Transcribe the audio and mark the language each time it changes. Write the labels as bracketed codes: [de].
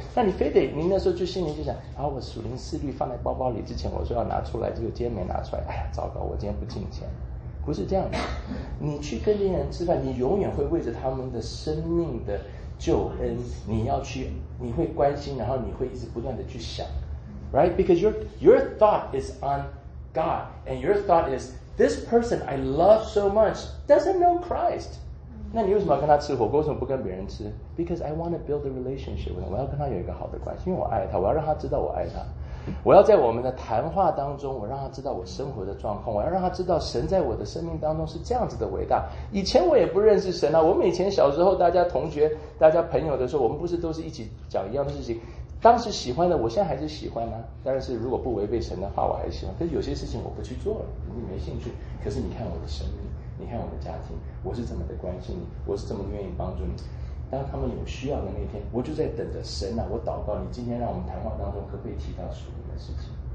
[zh] 那你非得您那时候就心里就想，啊，我属灵四律放在包包里之前我说要拿出来，结果今天没拿出来，哎呀糟糕，我今天不敬虔。不是这样的，你去跟别人吃饭，你永远会为着他们的生命的救恩，你要去，你会关心，然后你会一直不断的去想 ，right? [en] Because your thought is on God, and your thought is this person I love so much doesn't know Christ. [zh] 那你为什么要跟他吃火锅？为什么不跟别人吃 ？ [en] Because I want to build a relationship with him. [zh] 我要跟他有一个好的关系，因为我爱他，我要让他知道我爱他。我要在我们的谈话当中，我让他知道我生活的状况，我要让他知道神在我的生命当中是这样子的伟大。以前我也不认识神啊，我们以前小时候大家同学大家朋友的时候，我们不是都是一起讲一样的事情，当时喜欢的我现在还是喜欢啊，但是如果不违背神的话我还是喜欢，可是有些事情我不去做了，你没兴趣，可是你看我的生命，你看我的家庭，我是这么的关心你，我是这么愿意帮助你，当他们有需要的那天，我就在等着神啊！我祷告你今天让我们谈话当中可不可以提到属灵的事情？